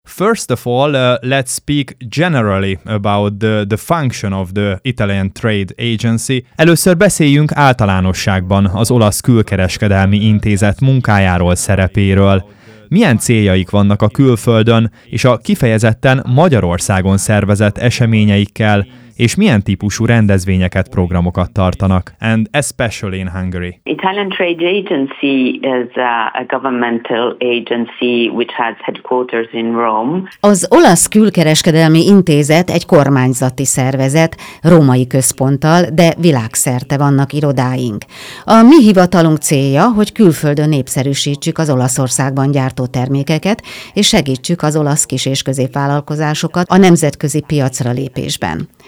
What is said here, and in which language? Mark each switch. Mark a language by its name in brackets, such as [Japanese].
[English] First of all, let's speak generally about the function of the Italian Trade Agency. [Hungarian] Először beszéljünk általánosságban az olasz külkereskedelmi intézet munkájáról, szerepéről. Milyen céljaik vannak a külföldön és a kifejezetten Magyarországon szervezett eseményeikkel, és milyen típusú rendezvényeket, programokat tartanak, [English] and especially in Hungary. Italian Trade Agency is a governmental agency which has headquarters in Rome. [Hungarian] Az olasz külkereskedelmi intézet egy kormányzati szervezet, római központtal, de világszerte vannak irodáink. A mi hivatalunk célja, hogy külföldön népszerűsítsük az Olaszországban gyártó termékeket, és segítsük az olasz kis- és középvállalkozásokat a nemzetközi piacra lépésben.